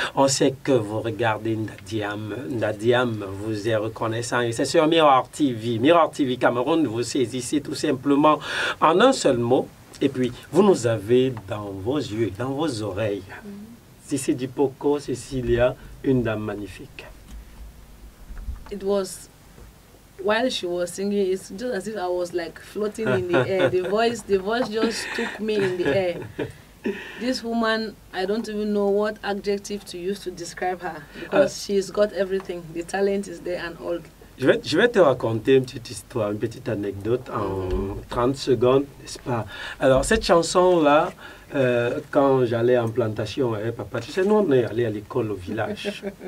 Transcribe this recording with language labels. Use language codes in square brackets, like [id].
[fr] On sait que vous regardez Ndadiam. Ndadiam vous est reconnaissant et c'est sur Mirror TV. Mirror TV Cameroun, vous saisissez tout simplement en un seul mot. Et puis, vous nous avez dans vos yeux, dans vos oreilles. Si c'est du Poco, Cecilia, une dame magnifique. [en] It was, while she was singing, it's just as if I was like floating in the air. The voice just took me in the air. This woman, I don't even know what adjective to use to describe her. Because she's got everything. The talent is there and all. [fr] Je vais te raconter une petite histoire, une petite anecdote en 30 secondes, n'est-ce pas? Alors, cette chanson-là, quand j'allais en plantation avec papa, tu sais, nous, on est allés à l'école au village.